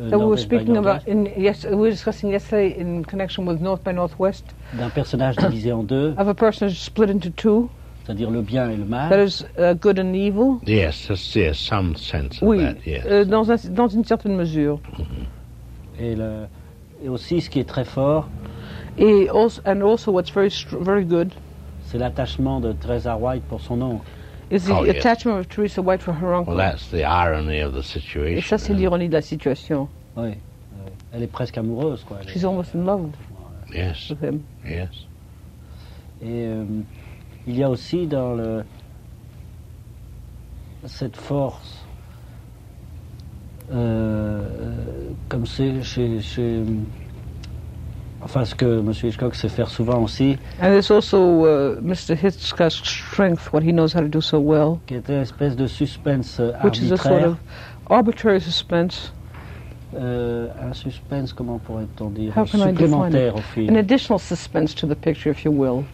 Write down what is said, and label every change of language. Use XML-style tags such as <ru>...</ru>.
<en>That we were speaking about in yes, we were discussing yesterday in connection with North by Northwest.</en> <fr>D'un personnage divisé en deux.</fr> <en>Of a person split into two.</en> <fr>C'est-à-dire le bien et le mal.</fr> <en>That is good and evil. Yes, there's some sense</en> <fr>oui.</fr> <en>Of that. Yes.</en> <fr>Dans une certaine mesure. Mm-hmm. Et aussi ce qui est très fort.</fr> <en>And also what's very very good.</en> <fr>C'est l'attachement de Teresa White pour son oncle.</fr> <en>Is the attachment of Teresa White for her uncle. Well, that's the irony of the situation.</en> <fr>Et ça c'est l'ironie de la situation. Oui. Elle est presque amoureuse quoi.</fr> <en>She's almost in love. Yes. With him. Yes.</en> <fr>Et il y a aussi dans le cette force comme c'est chez enfin ce que M. Hitchcock sait faire souvent aussi.</fr> <en>And it's also Mr. Hitchcock's strength, what he knows how to do so well.</en> <fr>Qui est une espèce de suspense</fr> <en>which</en> <fr>arbitraire.</fr> <en>Which is a sort of arbitrary suspense.</en> <fr>Un suspense, comment pourrait-on dire,</fr> <en>how can</en> <fr>supplémentaire au film.</fr> <en>An additional suspense to the picture, if you will.</en>